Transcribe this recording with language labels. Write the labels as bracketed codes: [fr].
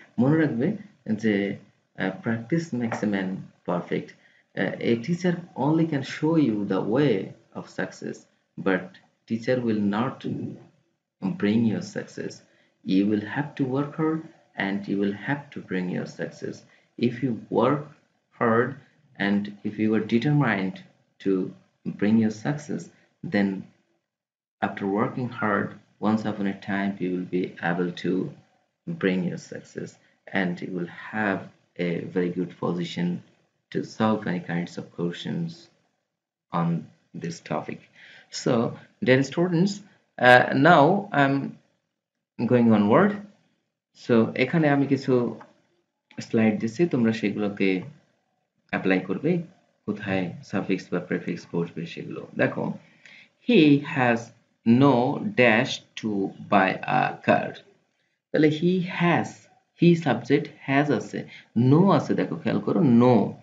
[bn] মনে রাখবে যে [en] Practice makes a man perfect, a teacher only can show you the way of success, but teacher will not bring your success, you will have to work hard and you will have to bring your success. If you work hard and if you are determined to bring your success, then after working hard, once upon a time you will be able to bring your success and you will have a very good position to solve any kinds of questions on this topic. So dear students, now I'm going onward. [bn] So এখানে আমি কিছু slide দিচ্ছি, তোমরা সেগুলোকে apply করবে, কোথায় suffix বা prefix বসবে সেগুলো। [en] দেখো he has no dash to buy a car, তাহলে he has, he subject has আছে, no আছে, [bn] দেখো খেয়াল করো [en] No.